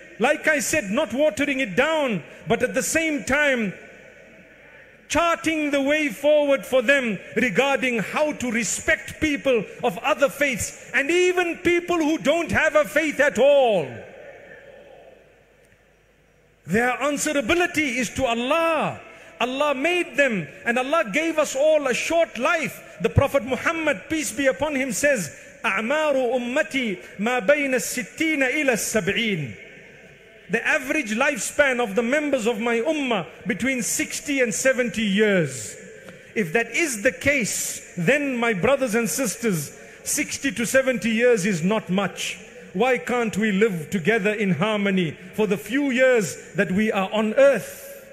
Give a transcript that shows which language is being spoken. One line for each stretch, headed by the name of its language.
English: Like I said, not watering it down, but at the same time, charting the way forward for them regarding how to respect people of other faiths and even people who don't have a faith at all. Their answerability is to Allah. Allah made them and Allah gave us all a short life. The Prophet Muhammad, peace be upon him, says,
Arabic: أعمار أمتي ما بين الستين إلى السبعين.
English: The average lifespan of the members of my ummah between 60 and 70 years. If that is the case, then my brothers and sisters, 60 to 70 years is not much. Why can't we live together in harmony for the few years that we are on earth?